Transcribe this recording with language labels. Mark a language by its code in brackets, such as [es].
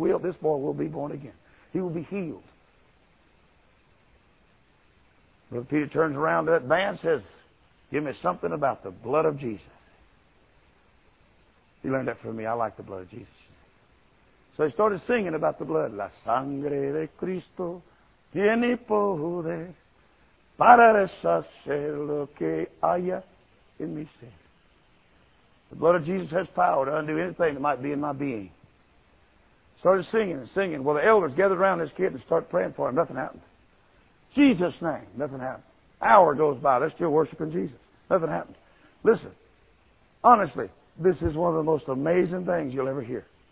[en] This boy will be born again. He will be healed. Brother Peter turns around to that man and says, give me something about the blood of Jesus. He learned that from me. I like the blood of Jesus. So he started singing about the blood. [es] La sangre de Cristo tiene poder para deshacer lo que haya en mi ser. [en] The blood of Jesus has power to undo anything that might be in my being. Started singing and singing. Well, the elders gathered around this kid and started praying for him. Nothing happened. Jesus' name, nothing happened. Hour goes by. They're still worshiping Jesus. Nothing happened. Listen, honestly, this is one of the most amazing things you'll ever hear.